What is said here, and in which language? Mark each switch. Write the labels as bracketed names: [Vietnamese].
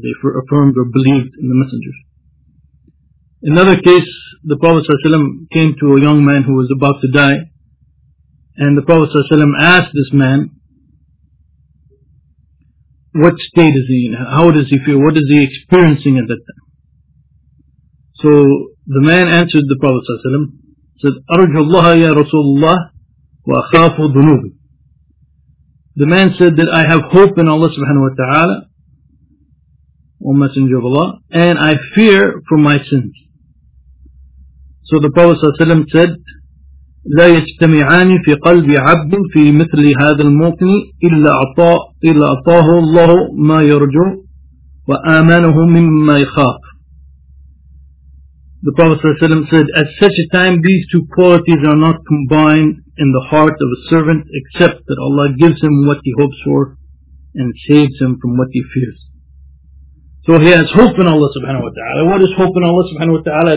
[English] They affirmed or believed in the Messenger. In another case, the Prophet ﷺ came to a young man who was about to die, and the Prophet ﷺ asked this man, what state is he in? How does he feel? What is he experiencing at that time? So the man answered the Prophet ﷺ, said, [Arabic] أرجو الله يا رسول الله وأخاف ذنوبي. [English] The man said that I have hope in Allah subhanahu wa ta'ala, O Messenger of Allah, and I fear for my sins. So the Prophet ﷺ said, [Arabic] لا يجتمعان في قلب عبد في مثل هذا الموقن إلا أعطاه الله ما يرجو وآمنه مما يخاف. [English] The Prophet ﷺ said, at such a time these two qualities are not combined in the heart of a servant except that Allah gives him what he hopes for and saves him from what he fears. So he has hope in Allah subhanahu wa ta'ala. What is hope in Allah subhanahu wa ta'ala?